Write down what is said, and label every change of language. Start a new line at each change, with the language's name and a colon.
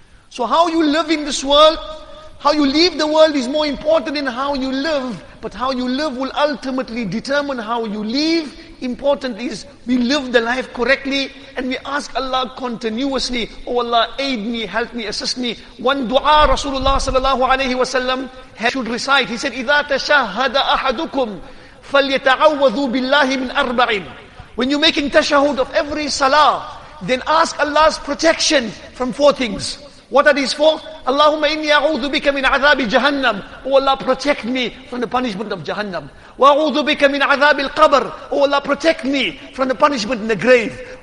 English: So how you live in this world, how you leave the world is more important than how you live. But how you live will ultimately determine how you live. Important is we live the life correctly and we ask Allah continuously, oh Allah, aid me, help me, assist me. One dua Rasulullah sallallahu alayhi wa sallam should recite. He said,
Arabic: إِذَا تَشَهَّدَ أَحَدُكُمْ فَلْيَتَعَوَّذُوا بِاللَّهِ مِنْ أَرْبَعٍ.
English: When you're making tashahud of every salah, then ask Allah's protection from four things. What are these four?
Arabic: Allahumma inni a'udhu bika min azabi jahannam.
English: Oh Allah, protect me from the punishment of jahannam.
Arabic: Wa a'udhu bika min azabi al-qabr.
English: Oh Allah, protect me from the punishment in the grave.